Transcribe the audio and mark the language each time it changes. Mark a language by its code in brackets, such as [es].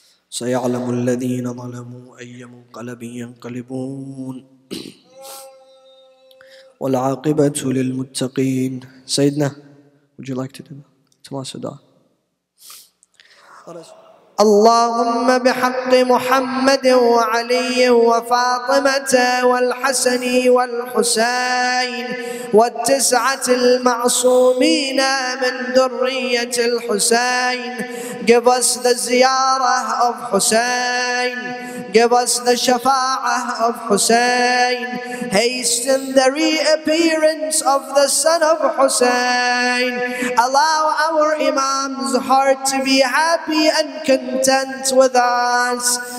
[ar] سيعلم الذين ظلموا أي منقلب ينقلبون والعاقبة للمتقين. [en] سيدنا, would you like to do it? Tomas Huda. [ar] اللهم بحق محمد وعلي وفاطمة والحسن والحسين والتسعة المعصومين من ذرية الحسين. [en] Give us the ziyarah of Husayn. Give us the shafa'ah of Husayn. Hasten the reappearance of the son of Husayn. Allow our Imam's heart to be happy and content with us.